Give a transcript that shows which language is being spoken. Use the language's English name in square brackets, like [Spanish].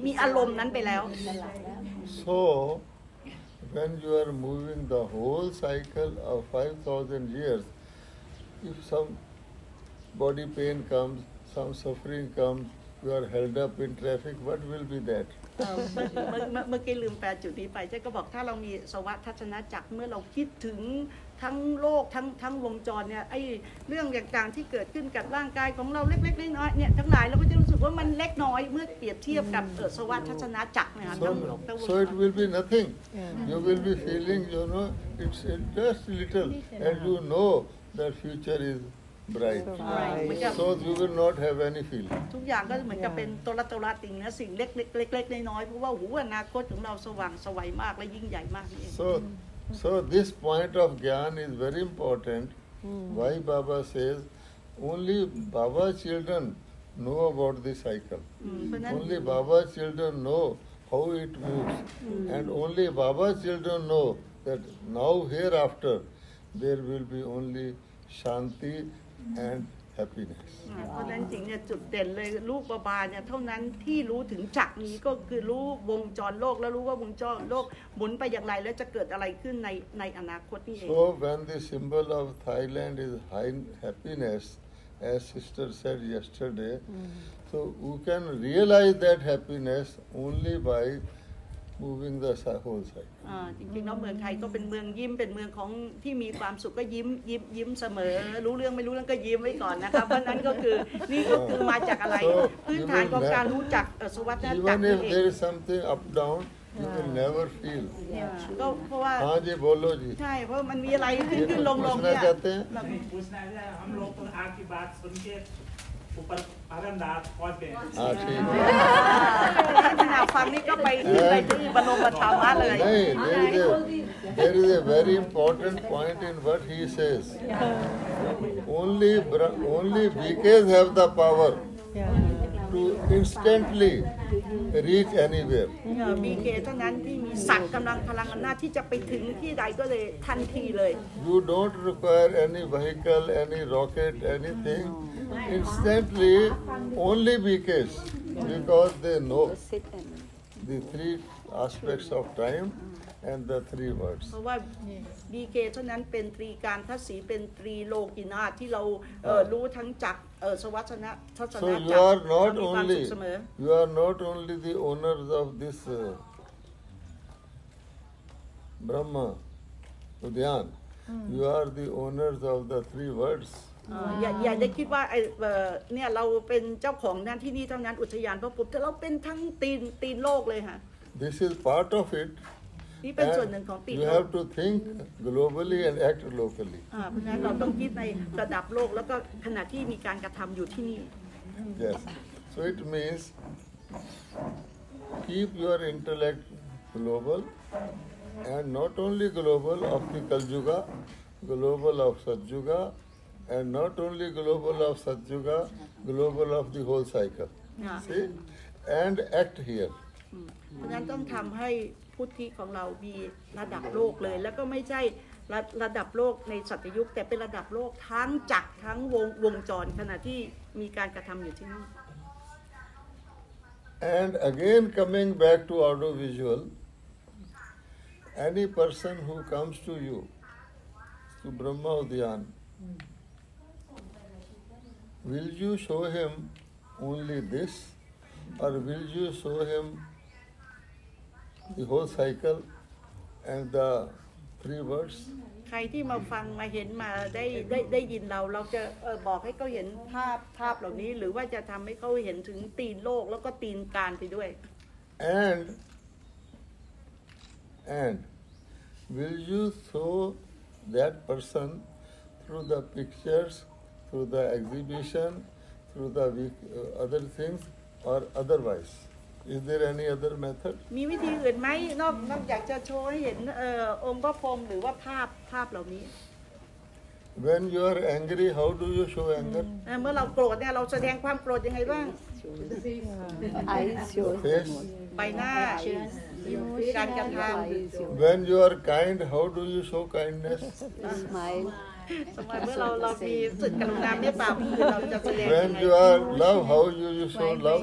[English] So, when you are moving the whole cycle of 5,000 years, if some body pain comes, some suffering comes, You are held up in traffic. What will be that? [Thai] เมื่อกี้ลืมแปลจุดนี้ไปใช่ก็บอกถ้าเรามีสวัสดิ์ทัศนจักรเมื่อเราคิดถึงทั้งโลกทั้งวงจรเนี่ยไอ้เรื่องต่างๆที่เกิดขึ้นกับร่างกายของเราเล็กๆน้อยๆเนี่ยทั้งหลายเราก็จะรู้สึกว่ามันเล็กน้อยเมื่อเปรียบเทียบกับสวัสดิ์ทัศนจักรเนี่ยทั้งโลกทั้งวง [English] จร So it will be nothing. You will be feeling, you know, it's just little, and you know that future is. Right. So you will not have any feeling. [Thai] ทุกอย่างก็เหมือนกับเป็นตัวติงนะสิ่งเล็กๆเล็กๆน้อยๆเพราะว่าหูอนาคตของเราสว่างสวัยมากและยิ่งใหญ่มากนี่เอง [English] So this point of gyan is very important. Why Baba says only Baba children know about the cycle. Only Baba children know how it moves, and only Baba children know that now hereafter there will be only shanti. And happiness [Thai] เพราะนั้นจริงเนี่ยจุดเด่นเลยรูปบาลเนี่ยเท่านั้นที่รู้ถึงจักรนี้ก็คือรู้วงจรโลกแล้วรู้ว่าวงจรโลกหมุนไปอย่างไรแล้วจะเกิดอะไรขึ้นในอนาคตนี่เอง [English] So when the symbol of Thailand is happiness as sister said yesterday so who can realize that happiness only by moving the whole side [Thai] จริงๆเนาะเมืองไทยก็เป็นเมืองยิ้มเป็นเมืองของที่มีความสุขก็ยิ้มเสมอรู้เรื่องไม่รู้เรื่องก็ยิ้มไว้ก่อนนะคะเพราะฉะนั้นก็คือนี่ก็คือมาจากอะไรพื้นฐานของการรู้จักสวัสดิ์นั้นจาก [English] ที่ Even if there is something up downYou will never feel. Yeah. [Hindi] हाँ जी बोलो जी. ठीक है वो मन में line फिर फिर लोग लोग क्या? पूछना चाहते हैं? नहीं पूछना है हम लोग तो आपकी बात सुनके ऊपर आनंदात पहुँचे हैं. ठीक है. ना फैमिली का पैसे बनो बतावा लगे. नहीं [English] there is a very important point in what he says. Only BKs have the power. To instantly reach anywhere. [Thai] BK ตอนนั้นที่มีศักดิ์กำลังพลังอำนาจที่จะไปถึงที่ใดก็เลยทันทีเลย [English] You don't require any vehicle, any rocket, anything. Instantly, only BK, because they know the three aspects of time and the three worlds. [Thai] เพราะว่า BK ตอนนั้นเป็นตรีกาลทัศน์สีเป็นตรีโลกินาที่เรารู้ทั้งจักร [English] So you are not only the owners of this Brahma Udyan. You are the owners of the three worlds. [Thai] อย่าได้คิดว่าเนี่ยเราเป็นเจ้าของนั่นที่นี่ทั้งนั้นอุทยานพระพุทธแต่เราเป็นทั้งตีนโลกเลยฮะ [English] This is part of it. [Thai] นี่เป็นส่วนหนึ่งของปี [English] ก You have to think globally and act locally. [Thai] เพราะงั้นเราต้องคิดในระดับโลกแล้วก็ขณะที่มีการกระทำอยู่ที่นี่ [English] Yes. So it means keep your intellect global and not only global of the Kaljuga, global of Satyuga and not only global of Satyuga, global of the whole cycle. See? And act here. [Thai] เพราะงั้นต้องทำให้พุทธิของเรามีระดับโลกเลยแล้วก็ไม่ใช่ระดับโลกในสัตยุคแต่เป็นระดับโลกทั้งจักรทั้งวงจรขณะที่มีการกระทำอยู่ที่นี่ [English] And again coming back to audio visual any person who comes to you to Brahma Udyan will you show him only this or will you show himthe whole cycle and the three words [Thai] ใครที่มาฟังมาเห็นมาได้ยินเราจะบอกให้เขาเห็นภาพเหล่านี้หรือว่าจะทำให้เขาเห็นถึงตีนโลกแล้วก็ตีนกาลไปด้วย [English] and will you show that person through the pictures through the exhibition through the other things or otherwiseIs there any other method? [Thai] มีวิธีอื่นไหมนอกจากจะโชว์ให้เห็นองค์พระพรหมหรือว่าภาพเหล่านี้ [English] When you are angry, how do you show anger? [Thai] เมื่อเราโกรธเนี่ยเราแสดงความโกรธยังไงบ้าง [English] I show face [Thai] ใบหน้าการกระทำ [English] When you are kind, how do you show kindness? Smile [Thai] เมื่อเรามีสุดกรุณาเมตตาเราจะแสดง [English] When you are love, how you show love?